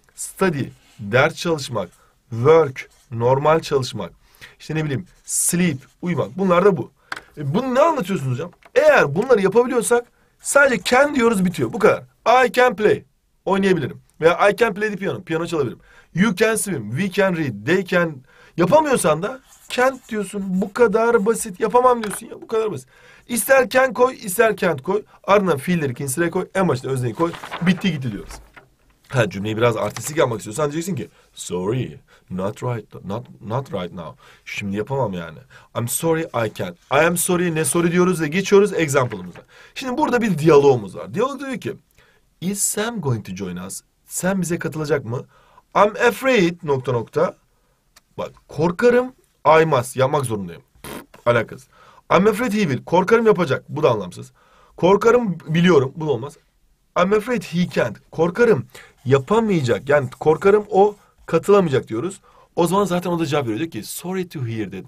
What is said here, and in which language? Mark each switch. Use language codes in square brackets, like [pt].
[tr] Study, ders çalışmak. Work, normal çalışmak. İşte ne bileyim, sleep, uyumak. Bunlar da bu. Bunu ne anlatıyorsunuz hocam? Eğer bunları yapabiliyorsak sadece can diyoruz, bitiyor. Bu kadar. [en] I can play, [tr] oynayabilirim. Veya [en] I can play the piano, [tr] piyano çalabilirim. [en] You can swim, we can read, they can... [tr] Yapamıyorsan da can't diyorsun. Bu kadar basit. Yapamam diyorsun ya, bu kadar basit. İster can koy, ister can't koy. Ardından fiilleri ikinci sıraya koy. En başta özneyi koy. Bitti gitti diyoruz. Ha, cümleyi biraz artistik yapmak istiyorsan diyeceksin ki [en] sorry, not right now. [tr] Şimdi yapamam yani. [en] I'm sorry, I can't. I am sorry, ne sorry [tr] diyoruz ve geçiyoruz example'ımıza. Şimdi burada bir diyalogumuz var. Diyalog diyor ki [en] is Sam going to join us? [tr] Sam bize katılacak mı? [en] I'm afraid [tr] nokta nokta. Bak korkarım, [en] I must, [tr] yapmak zorundayım. Pff, alakasız. [en] I'm afraid he will. [tr] Korkarım yapacak. Bu da anlamsız. Korkarım biliyorum. Bu da olmaz. [en] I'm afraid he can't. [tr] Korkarım yapamayacak. Yani korkarım o katılamayacak diyoruz. O zaman zaten o da cevap veriyor. Diyor ki [en] sorry to hear that.